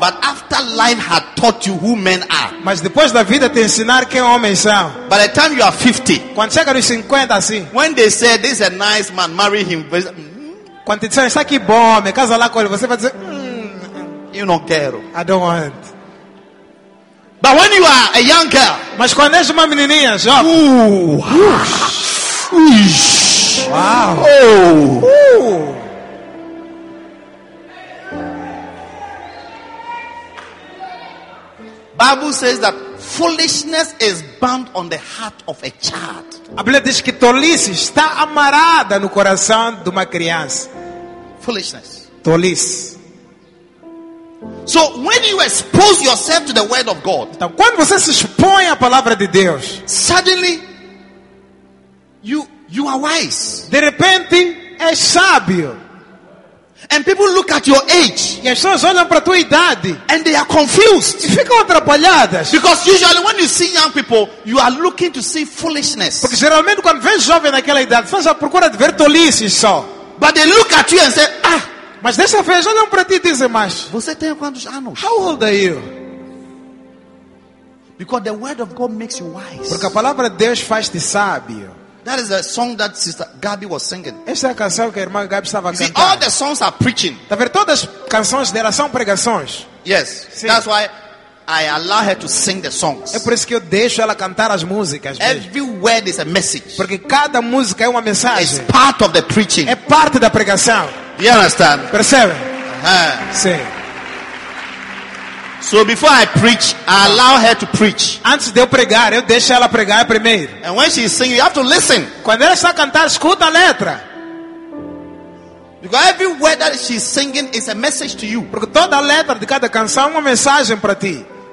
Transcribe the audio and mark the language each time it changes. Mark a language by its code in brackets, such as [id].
[en] But after life had taught you who men are, [pt] mas depois da vida te ensinar quem homens são. [en] By the time you are 50, [pt] quando chega aos 50, assim, [en] when they say this is a nice man, marry him. [pt] Quando te disseram, que bom homem, casa lá com ele, você vai dizer, eu não quero. [en] I don't want. But when you are a young girl, [pt] mas quando és uma menininha, já. Wow. [en] Bible says that foolishness is bound on the heart of a child. [pt] A Bíblia diz que tolice está amarrada no coração de uma criança. [en] Foolishness. [pt] Tolice. [en] So when you expose yourself to the word of God, [pt] então, quando você se expõe à palavra de Deus, [en] suddenly you are wise. [pt] De repente é sábio. [en] And people look at your age. [pt] E as pessoas olham para a tua idade. [en] And they are confused. [pt] E ficam atrapalhadas. [en] Because usually when you see young people, you are looking to see foolishness. [pt] Porque geralmente quando vês jovem naquela idade, você só procura ver tolice só. [en] But they look at you and say, ah. [pt] Mas dessa vez olham para ti e dizem, mas você tem quantos anos? [en] How old are you? Because the word of God makes you wise. [pt] Porque a palavra de Deus faz-te sábio. [en] That is a song that Sister Gabby was singing. [pt] Essa é a canção que a irmã Gabi estava cantando. [en] See, all the songs are preaching. [pt] Tá vendo? Todas as canções dela são pregações. [en] Yes. [pt] Sim. [en] That's why I allow her to sing the songs. [pt] É por isso que eu deixo ela cantar as músicas. [en] Every word is a message. [pt] Porque cada música é uma mensagem. [en] It's part of the preaching. [pt] É parte da pregação. [en] You understand? [pt] Percebe? Uh-huh. Sim. [en] So before I preach, I allow her to preach. [pt] Antes de eu pregar, eu deixo ela pregar primeiro. [en] And when she is singing, you have to listen. [pt] Quando ela está a cantar, escuta a letra. [en] Because every word that she's singing is a message to you. [pt] Porque toda a letra de cada canção é uma mensagem para ti.